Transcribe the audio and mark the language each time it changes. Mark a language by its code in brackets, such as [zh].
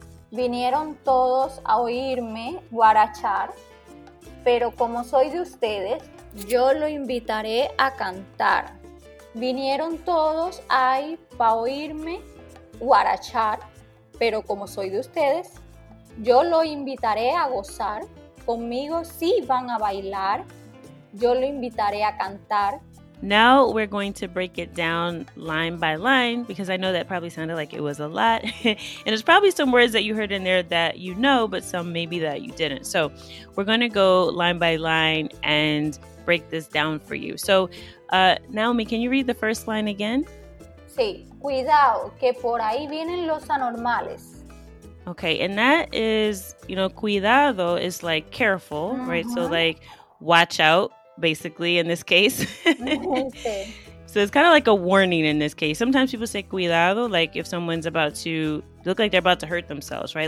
[es] Vinieron todos a oírme guarachar, pero como soy de ustedes, yo lo invitaré a cantar. Vinieron todos ahí para oírme guarachar, pero como soy de ustedes, yo lo invitaré a gozar. Conmigo sí van a bailar, yo lo invitaré a cantar. [en] Now we're going to break it down line by line because I know that probably sounded like it was a lot. And there's probably some words that you heard in there that you know, but some maybe that you didn't. So we're going to go line by line and break this down for you. So Naomi, can you read the first line again? [es] Sí, cuidado que por ahí vienen los anormales. [en] Okay, and that is, you know, cuidado is like careful, right? So like watch out. Basically, in this case. So it's kind of like a warning in this case. Sometimes people say cuidado, like if someone's about to look like they're about to hurt themselves, right?